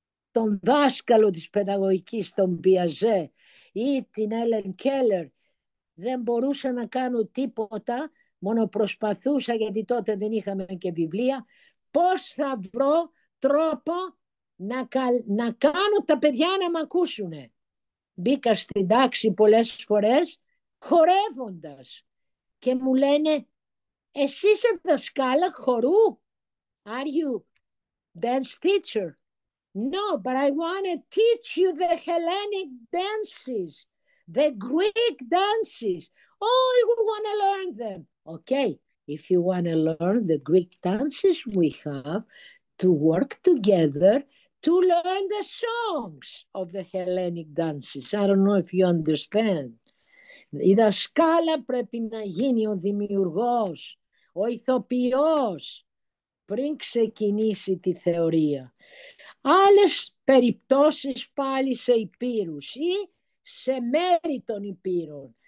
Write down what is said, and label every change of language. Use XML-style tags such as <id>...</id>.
<el>τον δάσκαλο της παιδαγωγικής, τον Πιαζέ ή την Έλεν Κέλλερ, δεν μπορούσα να κάνω τίποτα, μόνο προσπαθούσα, γιατί τότε δεν είχαμε και βιβλία, πώς θα βρω τρόπο να κάνω τα παιδιά να μ' ακούσουνε. Μπήκα στην τάξη πολλές φορές χορεύοντας και μου λένε, εσύ είσαι δασκάλα χορού?</el> <en>Are you dance teacher? No, but I want to teach you the Hellenic dances, the Greek dances. Oh, I would want to learn them. Okay, if you want to learn the Greek dances, we have to work together to learn the songs of the Hellenic dances. I don't know if you understand.</en> <el>Η δασκάλα πρέπει να γίνει ο δημιουργός, ο ηθοποιός, πριν ξεκινήσει τη θεωρία. Άλλες περιπτώσεις πάλι σε Υπήρους ή σε μέρη των Υπήρων.</el>